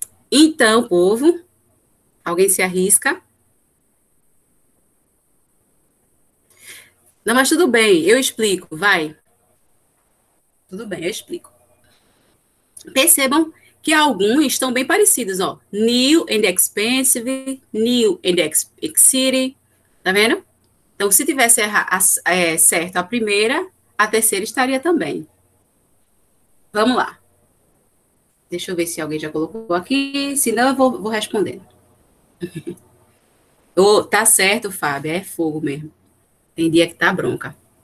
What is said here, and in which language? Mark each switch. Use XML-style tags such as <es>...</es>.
<pt>Então, povo, alguém se arrisca? Não, mas tudo bem, eu explico, vai. Tudo bem, eu explico. Percebam que alguns estão bem parecidos, ó.</pt> <en>New and expensive, new and exciting.</en> <pt>Tá vendo? Então, se tivesse certo a primeira, a terceira estaria também. Vamos lá. Deixa eu ver se alguém já colocou aqui. Se não, eu vou respondendo. Oh, tá certo, Fábio. É fogo mesmo. Tem dia que tá bronca.</pt>